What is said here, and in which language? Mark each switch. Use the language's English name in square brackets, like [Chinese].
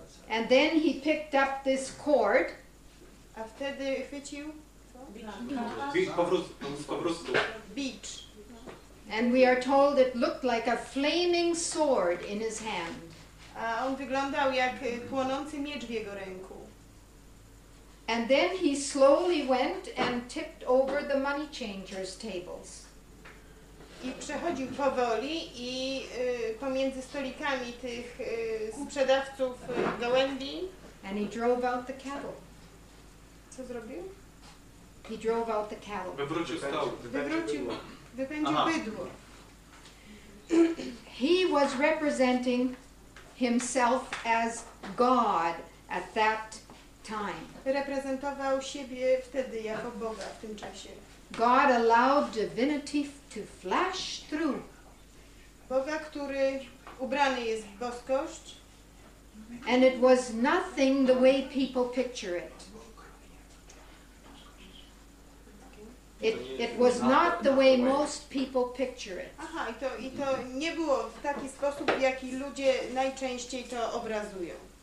[English] And then he picked up this cord. [Polish] A wtedy chwycił bicz. [English] And we are told it looked like a flaming sword in his hand. [Polish] A on wyglądał jak płonący miecz w jego ręku. [English] And then he slowly went and tipped over the money changers' tables. [Polish] I przechodził powoli i pomiędzy stolikami tych sprzedawców gołębi. [English] And he drove out the cattle. [Polish] Co zrobił? [English] He drove out the cattle. [Polish] Wywrócił stoły. Wywrócił bydło. [English] He was representing himself as God at that time. [Polish] Reprezentował siebie wtedy jako Boga w tym czasie. [English] God allowed divinity to flash through. [Polish] Boga, który ubrany jest w boskość. [English] And it was nothing the way people picture it. It was not the way most people picture it. [Polish] Aha, i to nie było w taki sposób, w jaki ludzie najczęściej to obrazują.